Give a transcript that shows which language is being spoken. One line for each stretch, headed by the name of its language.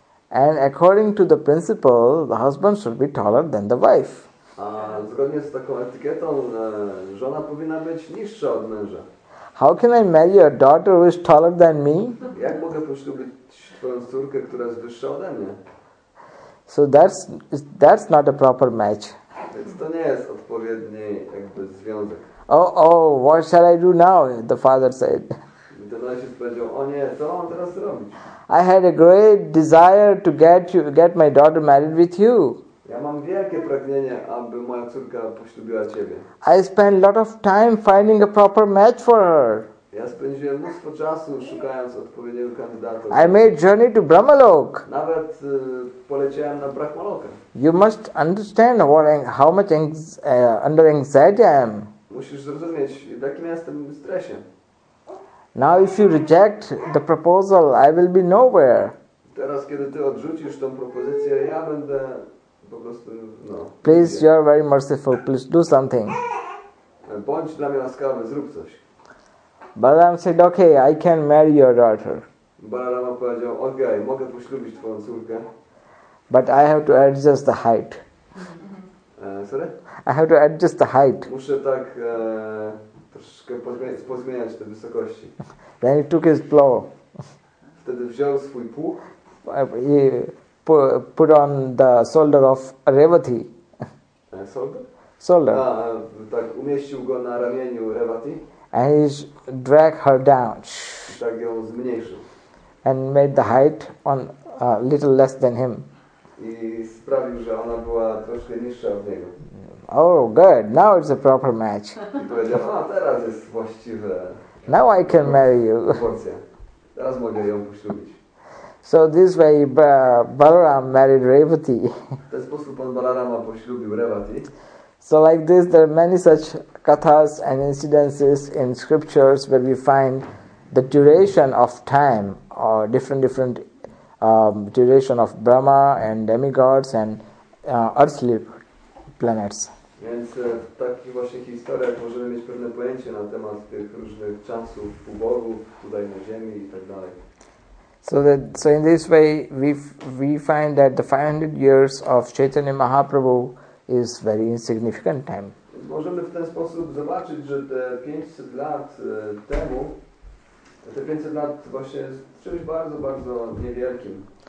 English: And according to the principle, the husband should be taller than the wife.
Polish: A zgodnie z taką etykietą, żona powinna być niższa od męża.
English: How can I marry a daughter who is taller than me?
Polish: Jak mogę poślubić twoją córkę, która jest wyższa ode mnie?
English: So that's not a proper match.
Polish: Więc to nie jest odpowiedni jakby związek.
English: Oh, what shall I do now? The father said.
Polish: Ten ojciec powiedział, o nie, co mam teraz robić?
English: I had a great desire to get my daughter married with you.
Polish: Ja mam wielkie pragnienie, aby moja córka poślubiła ciebie.
English: I spent a lot of time finding a proper match for her.
Polish: Ja spędziłem mnóstwo czasu szukając odpowiedniego kandydata.
English: I made journey to Brahmalok.
Polish: Nawet poleciałem na Brahmalokę.
English: You must understand how much under anxiety I am.
Polish: Musisz zrozumieć, jakim jestem w stresie.
English: Now if you reject the proposal, I will be nowhere.
Polish: Teraz kiedy ty odrzucisz tą propozycję, ja będę po prostu, no.
English: Please, you are very merciful. Please do something.
Polish: Bądź dla mnie łaskawy, zrób coś.
English: Balaram said, okay, I can marry your daughter.
Polish: Balarama powiedział, okay, mogę poślubić twoją córkę.
English: But I have to adjust the height. Sorry? I have to adjust the height.
Polish: Muszę tak troszkę pozmieniać te wysokości.
English: Then he took his plow.
Polish: Wtedy wziął swój pług.
English: He put on the shoulder of Revati. Shoulder?
Polish: Tak, umieścił go na ramieniu Revati.
English: And he dragged her down.
Polish: Tak ją zmniejszył.
English: And made the height on a little less than him.
Polish: I sprawił, że ona była troszkę niższa od niego.
English: Oh, good. Now it's a proper match.
Polish: Teraz jest właściwe.
English: Now I can marry you.
Polish: Teraz mogę ją poślubić.
English: So this way, Balaram married Revati.
Polish: W ten sposób pan Balarama poślubił Revati.
English: So like this, there are many such kathas and incidences in scriptures where we find the duration of time or different duration of Brahma and demigods and earthly planets.
Polish: Więc w takich właśnie historiach możemy mieć pewne pojęcie na temat tych różnych czasów u Bogu, tutaj na Ziemi i tak dalej.
English: So in this way we find that the 500 years of Chaitanya Mahaprabhu is very insignificant time.
Polish: Możemy w ten sposób zobaczyć, że te 500 lat temu, te 500 lat właśnie jest czymś bardzo, bardzo niewielkim.